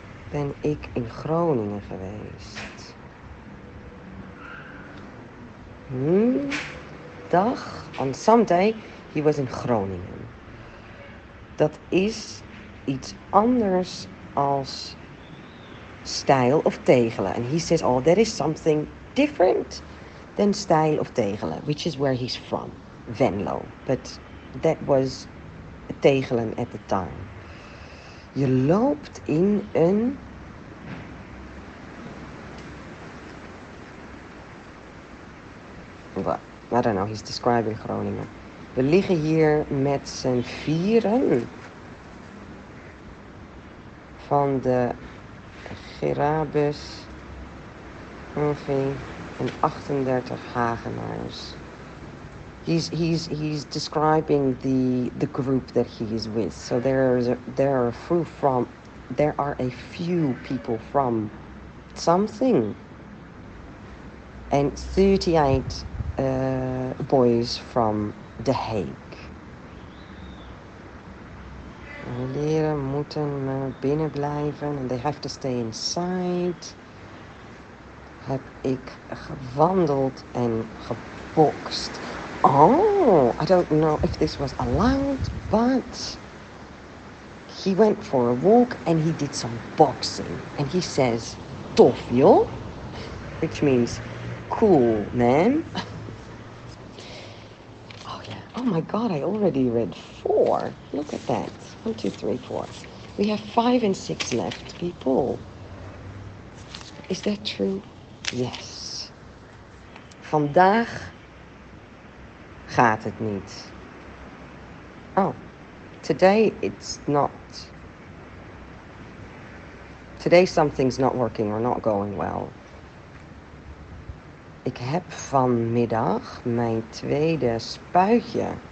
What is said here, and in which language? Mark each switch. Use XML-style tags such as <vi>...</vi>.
<nl>Ben ik in Groningen geweest?</nl> <en>Dag. On some day, he was in Groningen.</en> <nl>Dat is iets anders als stijl of tegelen.</nl> <en>And he says, oh, there is something different than stijl of tegelen, which is where he's from, Venlo. But that was tegelen at the time.</en> <nl>Je loopt in een.</nl> <en>Well, I don't know, he's describing Groningen.</en> <nl>We liggen hier met z'n vieren van de Gerabus, Murphy en 38 Hagenaars.</nl> <en>He's describing the group that he's with. So there are a few people from something, and 38 boys from The Hague.</en> <nl>Leren moeten binnen blijven</nl> <en>and they have to stay inside.</en> <nl>Heb ik gewandeld en geboxt.</nl> <en>Oh, I don't know if this was allowed, but he went for a walk and he did some boxing. And he says,</en> <nl>tof joh,</nl> <en>which means cool, man. Oh yeah, oh my God, I already read four. Look at that, 1, 2, 3, 4. We have 5 and 6 left, people. Is that true? Yes.</en> <nl>Vandaag gaat het niet.</nl> <en>Oh, today it's not. Today something's not working or not going well.</en> <nl>Ik heb vanmiddag mijn tweede spuitje.</nl>